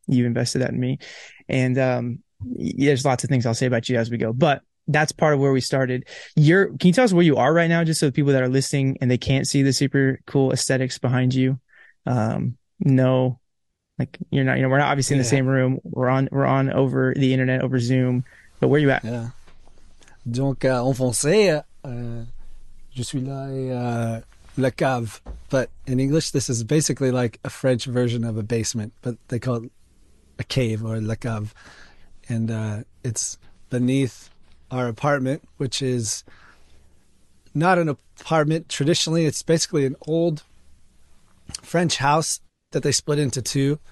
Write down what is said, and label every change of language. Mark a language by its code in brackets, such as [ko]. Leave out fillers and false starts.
[en] You've invested that in me, and there's lots of things I'll say about you as we go, but that's part of where we started. Can you tell us where you are right now, just so the people that are listening and they can't see the super cool aesthetics behind you know, like, you're not, you know, we're not obviously in the same room, we're on over the internet, over Zoom, but where are you at? [fr] Yeah, donc en français, je suis là, la cave. [en] But in English, this is basically like a French version of a basement, but they call it a cave or la cave. And it's beneath our apartment, which is not an apartment. Traditionally, it's basically an old French house that they split into two.